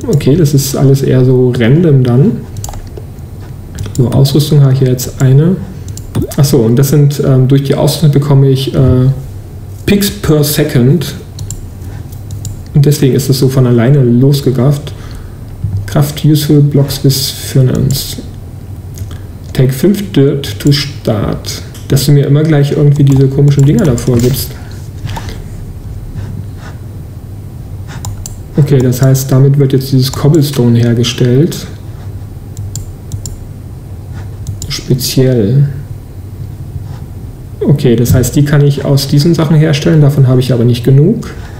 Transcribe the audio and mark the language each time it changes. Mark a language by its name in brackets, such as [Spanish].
[German] Okay, das ist alles eher so random dann. So, Ausrüstung habe ich jetzt eine. Achso, und das sind, durch die Ausrüstung bekomme ich Picks per Second. Und deswegen ist das so von alleine losgegafft. [English] Craft useful blocks with furnace. Take 5 Dirt to start. [German] Dass du mir immer gleich irgendwie diese komischen Dinger davor gibst. Okay, das heißt, damit wird jetzt dieses Cobblestone hergestellt. Speziell. Okay, das heißt, die kann ich aus diesen Sachen herstellen, davon habe ich aber nicht genug.